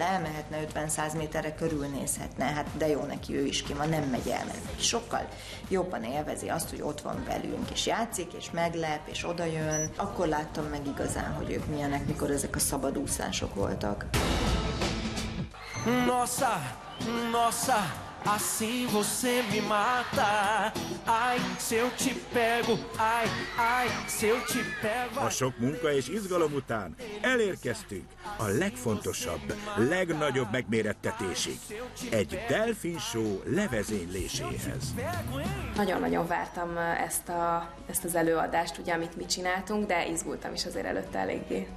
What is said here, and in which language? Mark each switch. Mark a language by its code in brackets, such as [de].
[hu] Elmehetne 50-100 méterre, körülnézhetne, hát de jó neki, ő is ki ma nem megy el. Sokkal jobban élvezi azt, hogy ott van velünk, és játszik, és meglep, és odajön. Akkor láttam meg igazán, hogy ők milyenek, mikor ezek a szabadúszások voltak. [pt] Nossa, nossa, assim você me mata. Ai, se eu te pego, ai, ai, se eu te pego. [hu] A sok munka és izgalom után elérkeztünk a legfontosabb, legnagyobb megmérettetésig, egy delfin show levezényléséhez. Nagyon-nagyon vártam ezt az előadást, ugye, amit mi csináltunk, de izgultam is azért előtte eléggé.